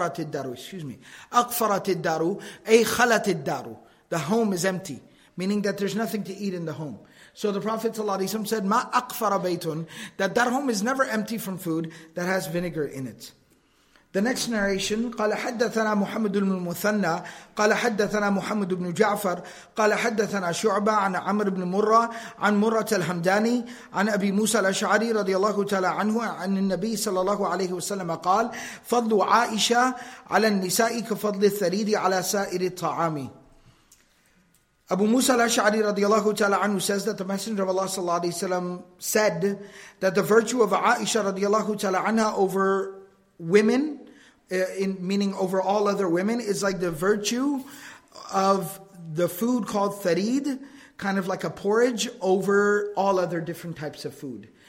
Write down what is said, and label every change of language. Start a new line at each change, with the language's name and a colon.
Arabic: Aqfaratid daru, ay khalatid daru.
English: The home is empty, meaning that there's nothing to eat in the home. So the Prophet ﷺ said,
Arabic: مَا أَقْفَرَ بَيْتٌ,
English: that home is never empty from food that has vinegar in it. The next narration,
Arabic: قَالَ حَدَّثَنَا مُحَمَّدُ الْمُثَنَّى قَالَ حَدَّثَنَا مُحَمَّدُ بْنُ جَعْفَرَ قَالَ حَدَّثَنَا شُعْبَةَ عَنْ عَمْرِ بْنِ مُرَّةَ عَنْ مُرَّةَ الْحَمْدَانِي عَنْ أَبِي مُوسَى الْأَشْعَرِي رضي الله تعالى عنه عن النبي صلى الله عليه وسلم قال فضل عائشة على النساء كفضل الثريد على سائر الطعام.
English: Abu Musa al-Ash'ari radiallahu ta'ala anhu says that the Messenger of Allah sallallahu alayhi wa sallam said that the virtue of Aisha radiallahu ta'ala anha over women, in meaning over all other women, is like the virtue of the food called thareed, kind of like a porridge, over all other different types of food.